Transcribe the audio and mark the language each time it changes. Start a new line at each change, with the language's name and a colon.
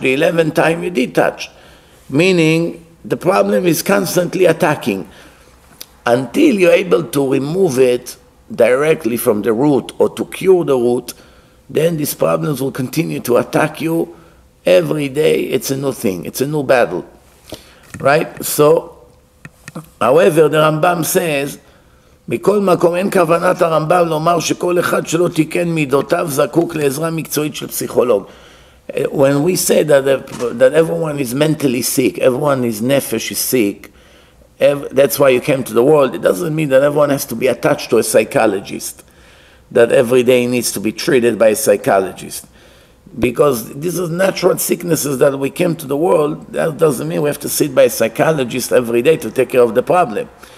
English: The 11th time you did touch. Meaning the problem is constantly attacking. Until you're able to remove it directly from the root or to cure the root, then these problems will continue to attack you every day. It's a new thing. It's a new battle. Right? So, however, the Rambam says,
Hebrew: מכל מקום אין כוונת הרמב״ם לומר שכל אחד שלא תיקן מידותיו זקוק לעזרה מקצועית של פסיכולוג.
English: When we say that everyone is mentally sick, everyone is nefesh is sick, that's why you came to the world, it doesn't mean that everyone has to be attached to a psychologist, that every day needs to be treated by a psychologist. Because these are natural sicknesses that we came to the world, that doesn't mean we have to sit by a psychologist every day to take care of the problem.